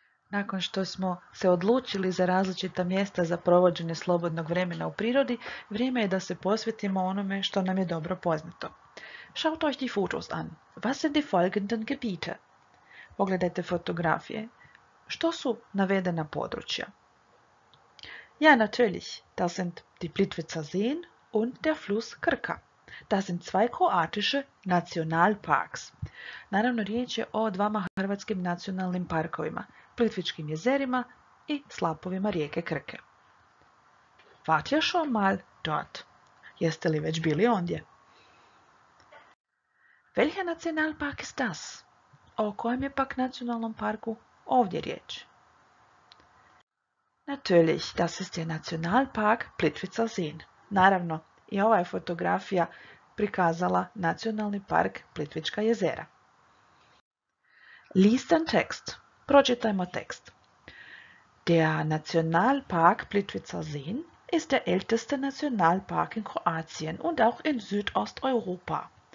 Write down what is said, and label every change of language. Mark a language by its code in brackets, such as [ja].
[hr] Nakon što smo se odlučili za različita mjesta za provođenje slobodnog vremena u prirodi, vrijeme je da se posvetimo onome što nam je dobro poznato. [de] Schaut euch die Fotos an. Was sind die folgenden Gebiete? [hr] Pogledajte fotografije. Što su navedena područja? [de] Ja, natürlich. Das sind die Plitvicer Seen und der Fluss Krka. Das sind zwei kroatische Nationalparks. [hr] Naravno, riječ je o dvama hrvatskim nacionalnim parkovima, Plitvičkim jezerima i slapovima rijeke Krke. [de] Wart ihr schon mal dort? [hr] Jeste li već bili ondje? [de] Welcher Nationalpark ist das? [hr] O kojem je pak nacionalnom parku ovdje riječ? [de] Natürlich, das ist der Nationalpark Plitvicer Seen. [hr] Naravno, i ova je fotografija prikazala Nacionalni park Plitvička jezera. [de] Lest den Text. [hr] Pročitajmo tekst. [de] Der Nationalpark Plitvicer Seen ist der älteste Nationalpark in Kroatien und auch in Südosteuropa.